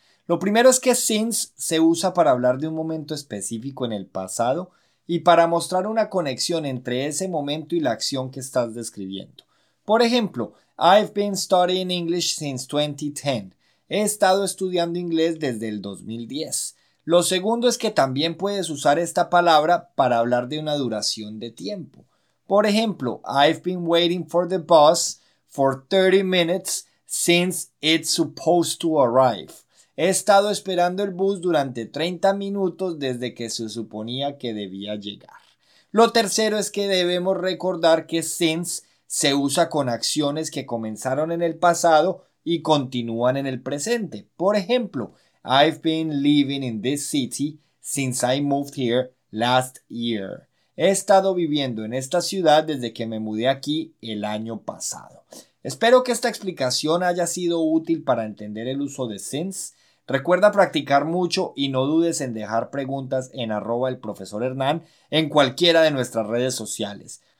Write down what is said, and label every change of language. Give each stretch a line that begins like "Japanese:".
Spanish: Lo primero es que since se usa para hablar de un momento específico en el pasado y para mostrar una conexión entre ese momento y la acción que estás describiendo. Por ejemplo,
English: I've been studying English since 2010.
Spanish: He estado estudiando inglés desde el 2010. Lo segundo es que también puedes usar esta palabra para hablar de una duración de tiempo. Por ejemplo,
English: I've been waiting for the bus for 30 minutes since it's supposed to arrive.
Spanish: He estado esperando el bus durante 30 minutos desde que se suponía que debía llegar. Lo tercero es que debemos recordar que since se usa con acciones que comenzaron en el pasado y continúan en el presente. Por ejemplo,
English: I've been living in this city since I moved here last year.
Spanish: He estado viviendo en esta ciudad desde que me mudé aquí el año pasado. Espero que esta explicación haya sido útil para entender el uso de since. Recuerda practicar mucho y no dudes en dejar preguntas en @elprofesorhernan en cualquiera de nuestras redes sociales.